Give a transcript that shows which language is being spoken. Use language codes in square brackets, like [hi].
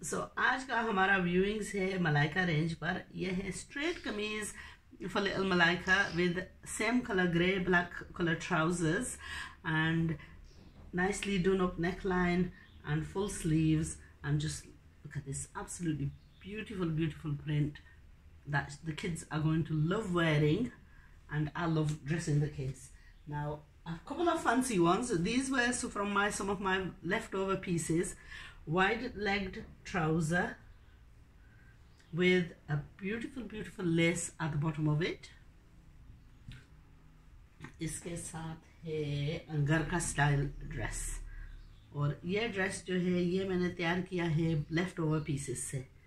[en] so [hi] आज का हमारा व्यूइंग्स है मलाइका रेंज पर। [en] यह है straight kameez for little Malaika with same colour grey black colour trousers and nicely done up neck line and full sleeves and just look at this absolutely beautiful beautiful print that the kids are going to love wearing and I love dressing the kids. Now a couple of fancy ones, these were from my some of my left over pieces. Wide legged trouser with a beautiful, beautiful lace at the bottom of it. [hi] इसके साथ है अंगर का style dress, और ये dress जो है ये मैंने तैयार किया है लेफ्ट ओवर पीसेस से।